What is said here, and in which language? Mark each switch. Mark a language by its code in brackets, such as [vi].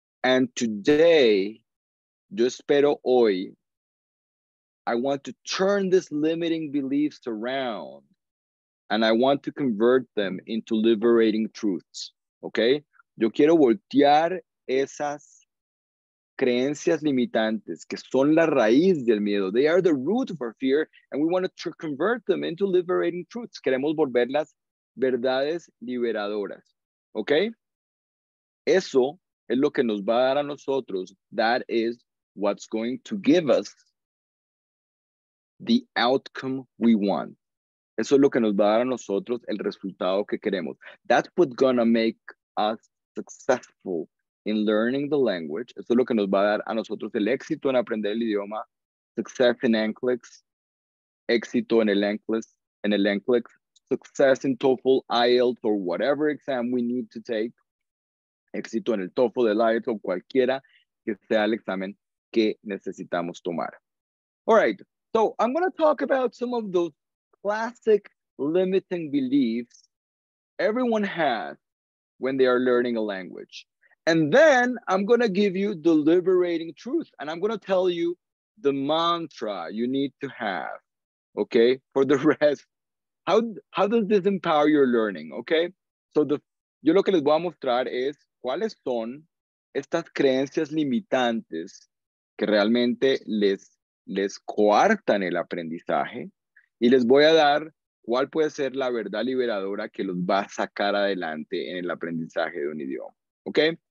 [en] And today, [es] yo espero hoy, [en] I want to turn these limiting beliefs around and I want to convert them into liberating truths, okay? [es] Yo quiero voltear esas creencias limitantes que son la raíz del miedo. [en] They are the root of our fear and we want to convert them into liberating truths. [es] Queremos volverlas verdades liberadoras. Okay? Eso es lo que nos va a dar a nosotros. [en] That is what's going to give us the outcome we want. [es] Eso es lo que nos va a dar a nosotros el resultado que queremos. [en] That's what's going to make us successful in learning the language. [es] Eso es lo que nos va a dar a nosotros el éxito en aprender el idioma. [en] Success in NCLEX. [es] Éxito en el NCLEX. [en] Success in TOEFL, IELTS, or whatever exam we need to take. [es] Éxito en el TOEFL, el IELTS, o cualquiera que sea el examen que necesitamos tomar. [en] All right. So I'm going to talk about some of those classic limiting beliefs everyone has when they are learning a language. And then I'm going to give you the liberating truth. And I'm going to tell you the mantra you need to have, okay, for the rest. How does this empower your learning, okay? [es] So yo lo que les voy a mostrar es cuáles son estas creencias limitantes que realmente les coartan el aprendizaje. Y les voy a dar cuál puede ser la verdad liberadora que los va a sacar adelante en el aprendizaje de un idioma, okay?